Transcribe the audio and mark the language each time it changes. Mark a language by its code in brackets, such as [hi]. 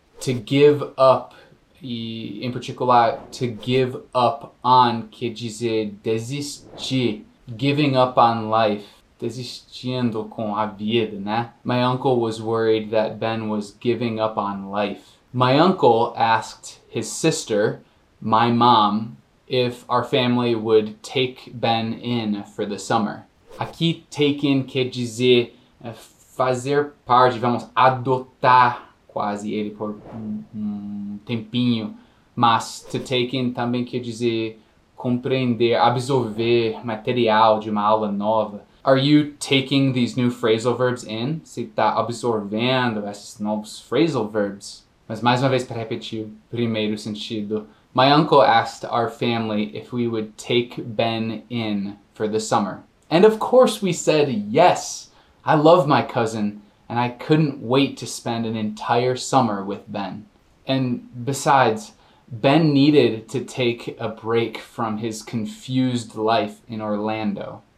[en] To give up, in particular, to give up on, [pt] quer dizer, desistir, [en] giving up on life. [pt] Desistindo com a vida, né? [en] My uncle was worried that Ben was giving up on life. My uncle asked his sister, my mom, if our family would take Ben in for the summer. [pt] Aqui, take in quer dizer fazer parte, vamos adotar quase ele por tempinho. Mas to take in também quer dizer compreender, absorver material de uma aula nova. [en] Are you taking these new phrasal verbs in? [pt] Você está absorvendo esses novos phrasal verbs? Mas mais uma vez, para repetir, primeiro sentido. [en] My uncle asked our family if we would take Ben in for the summer. And of course we said yes. I love my cousin, and I couldn't wait to spend an entire summer with Ben. And besides, Ben needed to take a break from his confused life in Orlando.